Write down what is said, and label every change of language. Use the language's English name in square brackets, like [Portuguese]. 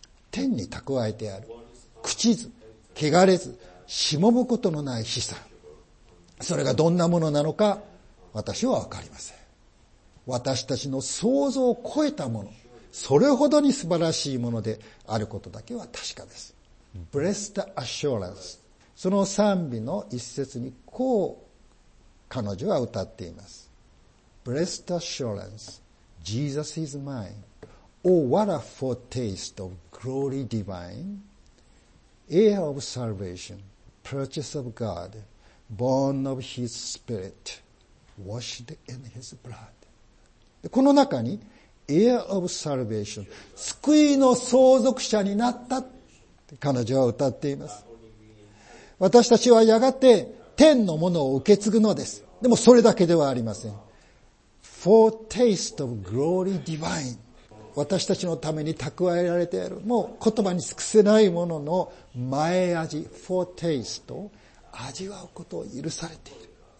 [Japanese] 天に蓄えてある朽ちず汚れずしもぶことのない資産、それがどんなものなのか私はわかりません。私たちの想像を超えたもの、それほどに素晴らしいものであることだけは確かです。 Blessed Assurance、 その賛美の一節にこう彼女は歌っています。 [English] Blessed Assurance, Jesus is mine. Oh, what a foretaste of glory divine. Heir of salvation, purchase of God, born of His Spirit, washed in His blood. [Japanese] でこの中に [English] Heir of salvation, [Japanese] 救いの相続者になった彼女は歌っています。私たちはやがて天のものを受け継ぐのです。でもそれだけではありません。 [English] For taste of glory divine、 [Japanese] 私たちのために蓄えられている、もう言葉に尽くせないものの前味、 For taste を味わうことを許されている。